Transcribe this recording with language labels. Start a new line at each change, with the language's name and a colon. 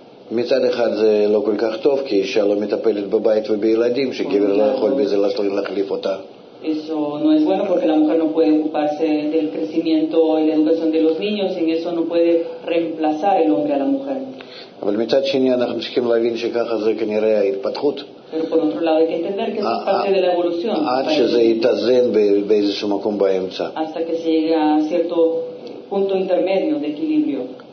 Hebrew: מצד אחד זה לא כל כך טוב, כי אישה לא מטפלת בבית ובילדים, שגבר לא יכול בזה לעשות להחליף אותה.
Spanish: Eso no es bueno porque la mujer no puede ocuparse del crecimiento y la educación de los niños, en eso no puede reemplazar el hombre a la mujer.
Hebrew: אבל מצד שני אנחנו צריכים להבין שככה זה כנראה ההתפתחות.
Spanish: Pero por otro lado hay que entender que es parte de la evolución.
Hebrew: עד שזה יתאזן באיזשהו מקום באמצע.
Spanish: Hasta que se llegue a cierto punto intermedio de equilibrio.